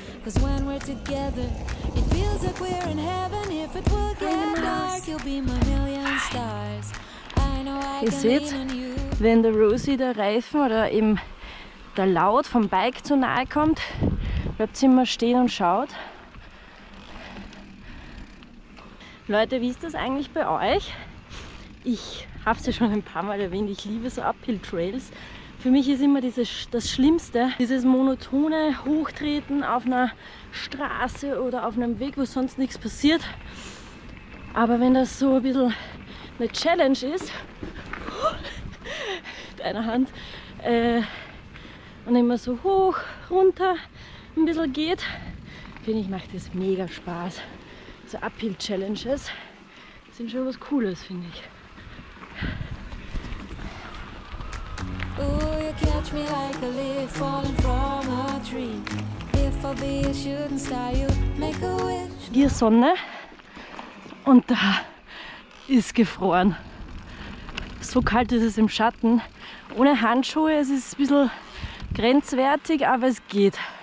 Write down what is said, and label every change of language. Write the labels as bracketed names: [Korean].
[English] 'Cause when we're together, it feels like we're in heaven. If it will get dark, you'll be my million stars. I know I can lean on you. [German] Wenn der Rosie der Reifen oder eben der Laut vom Bike zu nahe kommt, bleibt sie immer stehen und schaut. Leute, wie ist das eigentlich bei euch? Ich habe es ja schon ein paar Mal erwähnt, ich liebe so Uphill-Trails. Für mich ist immer das Schlimmste, dieses monotone Hochtreten auf einer Straße oder auf einem Weg, wo sonst nichts passiert. Aber wenn das so ein bisschen eine Challenge ist, mit einer Hand, und immer so hoch, runter ein bisschen geht, finde ich, macht das mega Spaß. So Uphill-Challenges sind schon was Cooles, finde ich. [English] Catch me like a leaf falling from a tree. If I be a shooting star, you make a wish. [German] Hier Sonne und da ist gefroren. So kalt ist es im Schatten. Ohne Handschuhe, es ist ein bisschen grenzwertig, aber es geht.